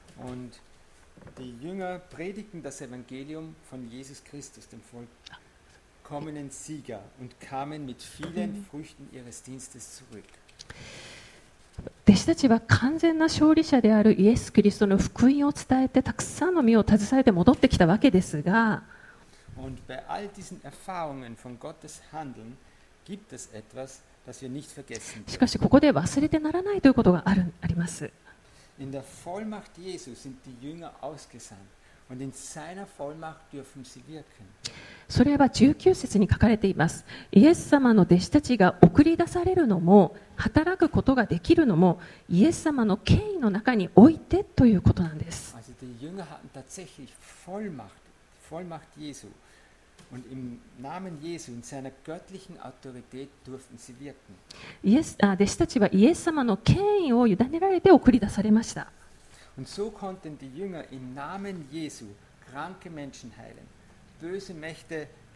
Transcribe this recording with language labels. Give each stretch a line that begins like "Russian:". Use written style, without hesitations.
Japanese: 弟子たちは福音を語りました。イエス・キリストの民の
German: kommenden Sieger und kamen mit vielen Früchten ihres Dienstes zurück.
Japanese: 弟子たちは完全な勝利者であるイエス・キリストの福音を伝えて、たくさんの実を携えて戻ってきたわけですが、
German: und bei all diesen Erfahrungen von Gottes Handeln gibt es etwas, das wir nicht vergessen dürfen.
Japanese: しかしここで忘れてならないということがあります。
German: In der Vollmacht Jesu sind die Jünger ausgesandt. Und in seiner Vollmacht dürfen sie wirken.
Japanese: それは19節に書かれています。イエス様の弟子たちが送り出されるのも、働くことができるのも、イエス様の権威の中においてということなんです。
German: also, die Jünger hatten tatsächlich Vollmacht Jesu. Und im Namen Jesu, in seiner göttlichen Autorität durften sie wirken.
Japanese: 弟子たちはイエス様の権威を委ねられて送り出されました。
German: Und so konnten die Jünger im Namen Jesu kranke Menschen heilen, böse Mächte